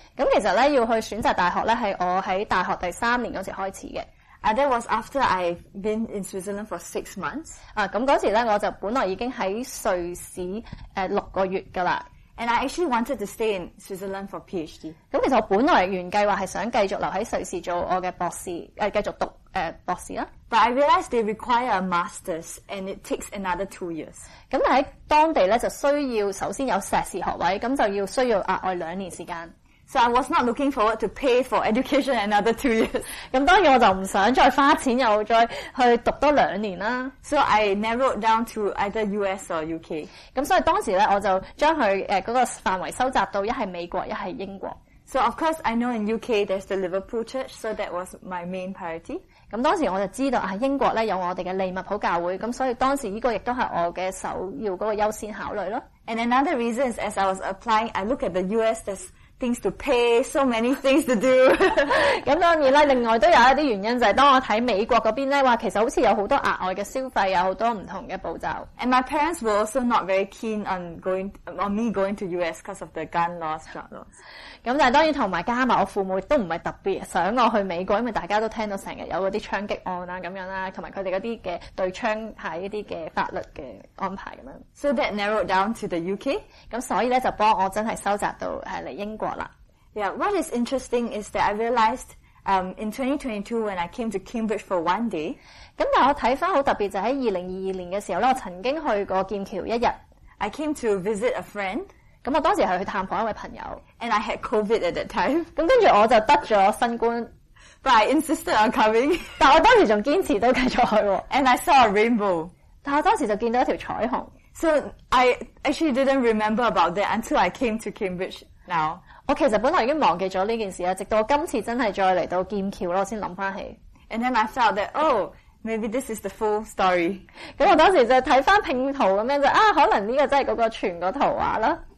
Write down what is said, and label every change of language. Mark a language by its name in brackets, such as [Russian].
[Cantonese] 咁其實咧要去選擇大學咧，係我喺大學第三年嗰時開始嘅。 [English] And that was after I've been in Switzerland for 6 months. [Cantonese] 啊，咁嗰時咧我就本來已經喺瑞士六個月噶啦。 [English] And I actually wanted to stay in Switzerland for PhD. [Cantonese] 咁其實我本來原計劃係想繼續留喺瑞士做我嘅博士，繼續讀博士啦。 [English] But I realized they require a master's and it takes another 2 years. [Cantonese] 咁喺當地咧就需要首先有碩士學位，咁就要需要額外兩年時間。 [English] So I was not looking forward to pay for education another 2 years. [Cantonese] 咁當然我就唔想再花錢又再去讀多兩年啦。 [English] So I narrowed down to either US or UK. [Cantonese] 咁所以當時咧我就將佢嗰個範圍收集到一係美國一係英國。 [English] So of course I know in UK there's the Liverpool Church, so that was my main priority. [Cantonese] 咁當時我就知道啊，英國咧有我哋嘅利物浦教會，咁所以當時呢個亦都係我嘅首要嗰個優先考慮咯。 [English] And another reason is as I was applying, I look at the US. There's things to pay, so many things to do. [Cantonese] 咁當然啦，另外都有一啲原因就係當我睇美國嗰邊咧，話其實好似有好多額外嘅消費，有好多唔同嘅步驟。 [English] And my parents were also not very keen on me going to US because of the gun laws, drug laws. [Cantonese] 咁但係當然同埋加埋我父母都唔係特別想我去美國，因為大家都聽到成日有嗰啲槍擊案啊咁樣啦，同埋佢哋嗰啲嘅對槍係一啲嘅法律嘅安排咁樣。 [English] So that narrowed down to the UK. [Cantonese] 咁所以咧就幫我真係收集到係嚟英國。 [English] Yeah, what is interesting is that I realized in 2022 when I came to Cambridge for one day. [Cantonese] 咁但我睇翻好特別就喺2022年嘅時候咧，我曾經去過劍橋一日。 [English] I came to visit a friend. [Cantonese] 咁我當時係去探訪一位朋友。 [English] And I had COVID at that time. [Cantonese] 咁跟住我就得咗新冠。 [English] But I insisted on coming. [Cantonese] 但我當時仲堅持都繼續去喎。 [English] And I saw a rainbow. [Cantonese] 但我當時就見到一條彩虹。 [English] So I actually didn't remember about that until I came to Cambridge now. [Cantonese] 我其實本來已經忘記咗呢件事啦，直到我今次真係再嚟到劍橋咯，先諗翻起。 [English] And then I felt that, oh, maybe this is the full story. [Cantonese] 咁我當時就睇翻拼圖咁樣就啊，可能呢個真係嗰個全個圖畫啦。